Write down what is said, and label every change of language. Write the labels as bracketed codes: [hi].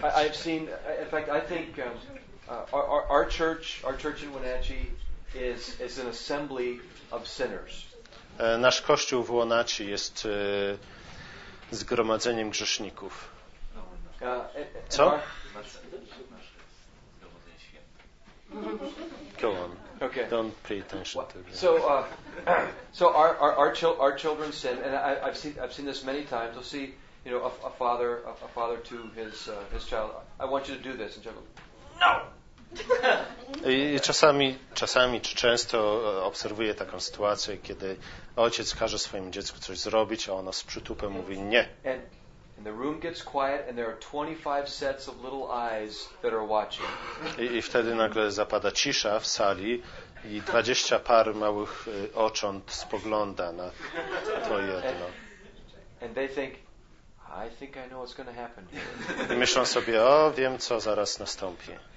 [en] I've seen, in fact, I think our church in Wenatchee is an assembly of sinners. [pl] Nasz kościół w Łonaci jest zgromadzeniem grzeszników. Co? [en] Go on. Ok. Okay. Don't pay attention to that. So our children sin, and I've seen this many times. You'll see, you know, a father to his child. I want you to do this, and gentlemen. No. [pl] I czasami czy często obserwuję taką sytuację, kiedy ojciec każe swojemu dziecku coś zrobić, a ono z przytupem mówi nie. [en] And the room gets quiet and there are 25 sets of little eyes that are watching. [pl] I wtedy nagle zapada cisza w sali i 20 par małych ocząt spogląda na to jedno. [en] And they think, I think I know what's going to happen. [pl] I myślą sobie, o, wiem co zaraz nastąpi.